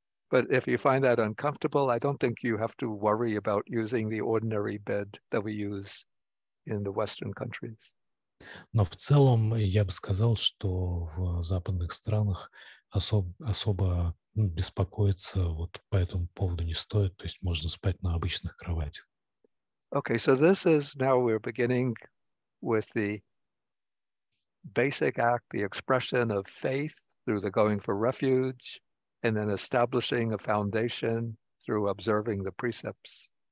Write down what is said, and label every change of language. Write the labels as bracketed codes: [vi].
[en] But if you find that uncomfortable, I don't think you have to worry about using the ordinary bed that we use in the Western countries. [ru] Но в целом я бы сказал, что в западных странах особо беспокоиться вот по этому поводу не стоит, то есть можно спать на обычных кроватях. [en] Okay, so this is now we're beginning with the basic act, the expression of faith through the going for refuge. And then establishing a foundation through observing the precepts.